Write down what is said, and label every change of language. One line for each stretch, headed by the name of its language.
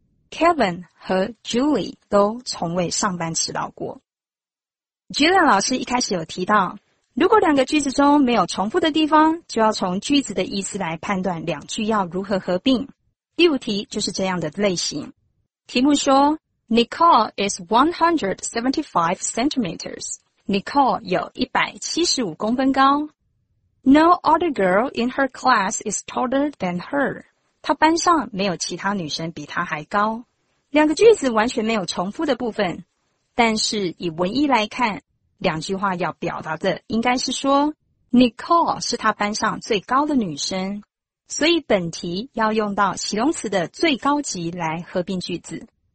Chinese: Kevin 和 Julie 都从未上班迟到过。 Julia 老师一开始有提到，如果两个句子中没有重复的地方，就要从句子的意思来判断两句要如何合并。第五题就是这样的类型。题目说
English: Nicole is 175 centimeters.
Chinese: Nicole 有175公分高。
English: No other girl in her class is taller than her.
Chinese: 她班上没有其他女生比她还高。两个句子完全没有重复的部分，但是以文意来看，两句话要表达的应该是说 Nicole 是她班上最高的女生，所以本题要用到形容词的最高级来合并句子。